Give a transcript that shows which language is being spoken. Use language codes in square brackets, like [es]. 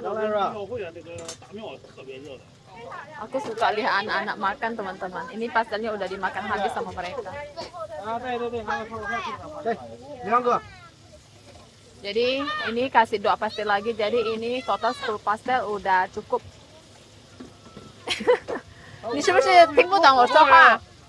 [zh] 庙会那个大庙特别热闹。 [id] aku suka lihat anak-anak makan teman-teman. ini pastinya udah dimakan habis sama mereka. [zh] 啊，对，还有。对，两个。 [id] jadi ini kasih 2 pastel lagi. jadi ini total 10 pastel udah cukup. [zh] 你是不是听不懂我说话？